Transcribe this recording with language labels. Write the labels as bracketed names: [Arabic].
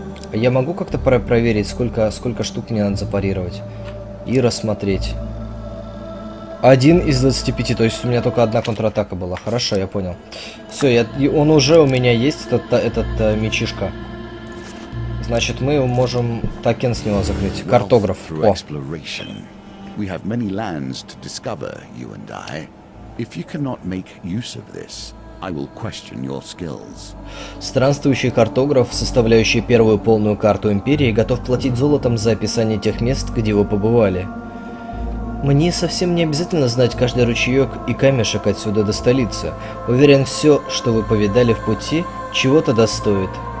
[Russian] Я могу как-то проверить, сколько штук мне надо запарировать и рассмотреть. 1 из 25, то есть у меня только одна контратака была. Хорошо, я понял. Все, он уже у меня есть, этот мечишка. Значит, мы можем токен с него закрыть. Картограф. О. [English] We have many lands to discover, you and I. If you cannot make use of this, I will question your skills. [Russian] Странствующий картограф, составляющий первую полную карту империи, готов платить золотом за описание тех мест, где вы побывали. Мне совсем не обязательно знать каждый ручеек и камешек отсюда до столицы. Уверен, все, что вы повидали в пути, чего-то достоит.